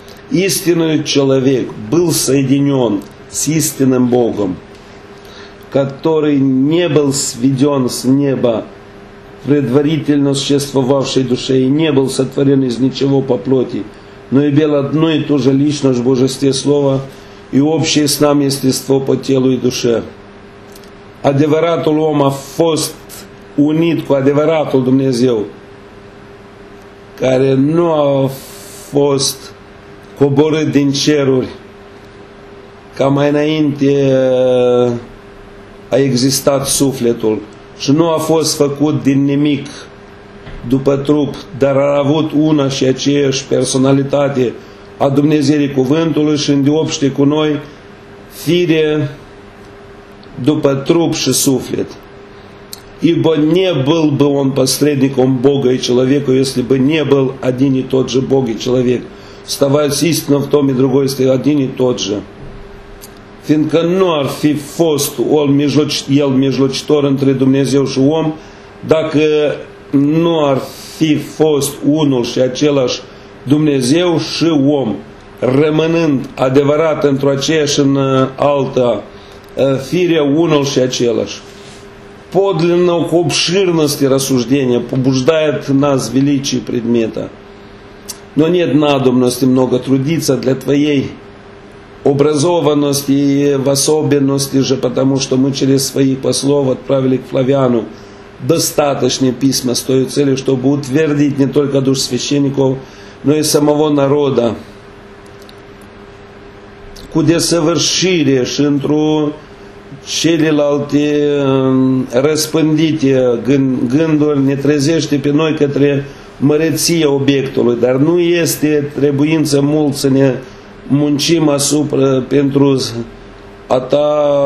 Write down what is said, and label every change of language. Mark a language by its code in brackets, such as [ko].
[ru] Истинный человек был соединен с истинным Богом, который не был сведен с неба предварительно существовавшей душе и не был сотворен из ничего по плоти, но имел одну и ту же личность в Божестве Слова и общее с нами естество по телу и душе. [ro] Adevăratul om a fost unit cu adevăratul Dumnezeu, care nu a fost coborât din ceruri, ca mai înainte a existat sufletul, și nu a fost făcut din nimic după trup, dar a avut una și aceeași personalitate a Dumnezeului Cuvântului și îndeopște cu noi fire după trup și suflet. [ru] Ибо не был бы он посредником Бога и человека, если бы не был один и тот же Бог и человек. Оставаясь истинно в том и другой, если один и тот же. [ro] Fiindcă nu ar fi fost el mijlocitor între Dumnezeu și om, dacă nu ar fi fost unul și același Dumnezeu și om, rămânând adevărat într-o aceeași în alta фире унул ся челаш. [ru] Подлинно к обширности рассуждения побуждает нас величие предмета. Но нет надобности много трудиться для твоей образованности, в особенности же потому, что мы через свои послов отправили к Флавиану достаточные письма с той целью, чтобы утвердить не только душ священников, но и самого народа. [ro] cu desăvârșire și într-o celelalte răspândite gânduri ne trezește pe noi către măreția obiectului, dar nu este trebuință mult să ne muncim asupra pentru a ta